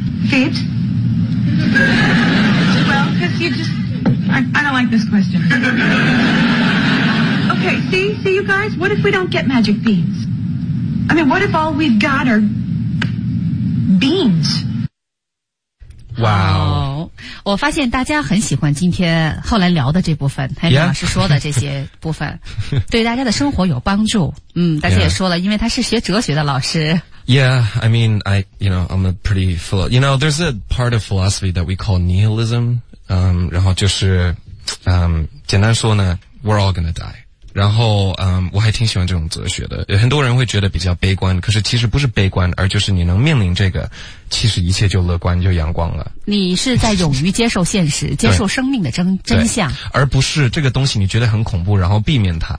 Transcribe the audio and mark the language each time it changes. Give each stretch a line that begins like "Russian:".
English: Fate? Well, because you just... I don't like this question. Okay, see you guys? What if we don't get magic beans? I mean, what if all we've got are... beans? Wow.
Chinese: 我发现大家很喜欢今天后来聊的这部分，还有老师说的这些部分，对大家的生活有帮助。大家也说了，因为他是学哲学的老师。
English: Yeah, I mean, I, you know, I'm a pretty philo. You know, there's a part of philosophy that we call nihilism.
Chinese: 然后就是，简单说呢 ，
English: we're all gonna die。
Chinese: 然后，我还挺喜欢这种哲学的。有很多人会觉得比较悲观，可是其实不是悲观，而就是你能面临这个，其实一切就乐观，就阳光了。你是在勇于接受现实，接受生命的真相，而不是这个东西你觉得很恐怖，然后避免它，